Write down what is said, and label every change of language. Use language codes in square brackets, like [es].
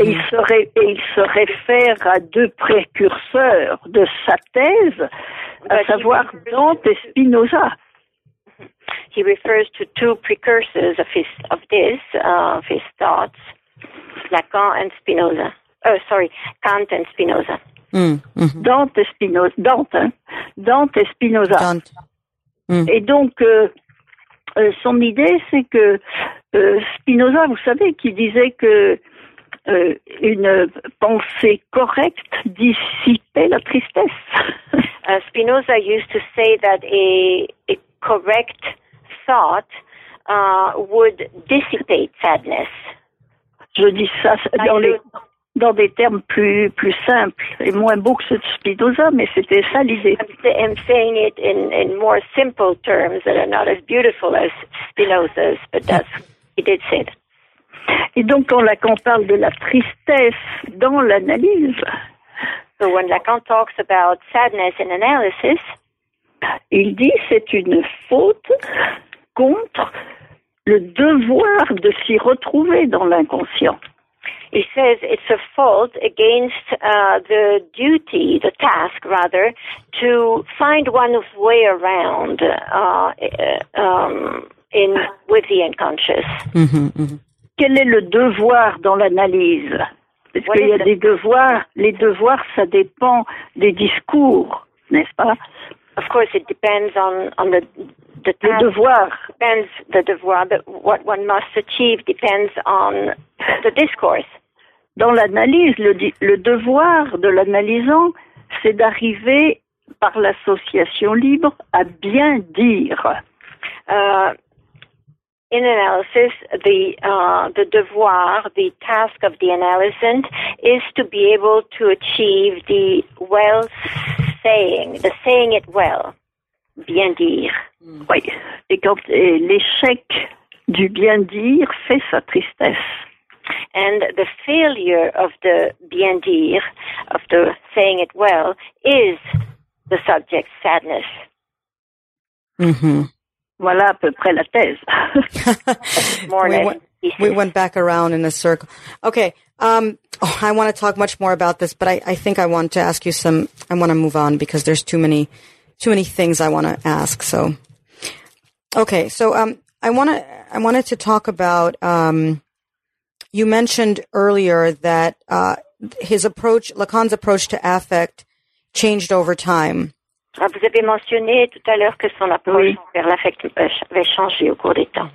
[fr] Et il se réfère à deux précurseurs de sa thèse, à savoir Dante et Spinoza. [en] He refers to two precursors of his thoughts. Lacan and Spinoza. Kant and Spinoza. [fr] Dante et Spinoza. Dante, hein? Dante et Spinoza. Dante. Mm. Et donc, son idée, c'est que Spinoza, vous savez, qui disait que une pensée correcte dissipait la tristesse. [en] Spinoza used to say that a correct thought would dissipate sadness. [fr] Je dis ça dans des termes plus simples et moins beaux que ceux de Spinoza, mais c'était ça l'idée. [en] I'm saying it in more simple terms that are not as beautiful as Spinoza's, but that's what he did say. [fr] Et donc, quand Lacan parle de la tristesse dans l'analyse, [en] so when Lacan talks about sadness in analysis, [fr] il dit c'est une faute contre le devoir de s'y retrouver dans l'inconscient. [en] He says it's a fault against the duty, the task rather, to find one's way around with the unconscious. [fr] Quel est le devoir dans l'analyse? Parce qu'il y a des devoirs. Les devoirs, ça dépend des discours, n'est-ce pas? [en] Of course, it depends on the. [fr] Le devoir. [en] Depends the devoir, but what one must achieve depends on the discourse. [fr] Dans l'analyse, le devoir de l'analysant, c'est d'arriver par l'association libre à bien dire. [en] In analysis, the devoir, the task of the analysant, is to be able to achieve the well saying, the saying it well. [fr] Bien dire. Oui. Et quand l'échec du bien dire fait sa tristesse. [en] And the failure of the bien dire, of the saying it well, is the subject's sadness. Mm-hmm. [fr] Voilà à peu près la thèse. [en] We went back around in a circle. Okay. I want to talk much more about this, but I think I want to ask you some. I want to move on because there's too many things I want to ask. So. Okay, so I wanted to talk about you mentioned earlier that Lacan's approach to affect changed over time. [fr] Vous avez mentionné tout à l'heure que son approche vers l'affect avait changé au cours des temps.